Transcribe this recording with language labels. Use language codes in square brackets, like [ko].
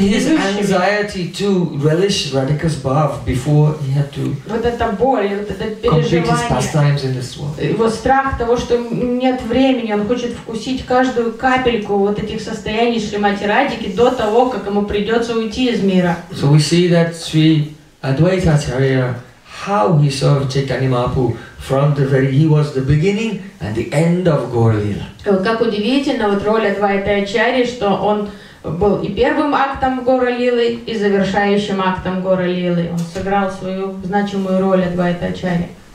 [ru] лежащими. [en] In his anxiety to relish Radhika's bath before he had to [ru] вот это боль, вот это переживание. [en] Complete his pastimes in this world. [ru] Его страх того, что нет времени, он хочет вкусить каждую капельку вот этих состояний Шримати Радики до того, как ему придется уйти из мира. [en] So we see that Sri Advaita Acharya, how he served Chaitanya Mahaprabhu from the very, he was the beginning and the end of Gaurlila. [ru] Как удивительно, вот роль Адвайта Ачарьи, что он был и первым актом Гаурлилы, и завершающим актом Гаурлилы. Он сыграл свою значимую роль Адвайта Ачарьи.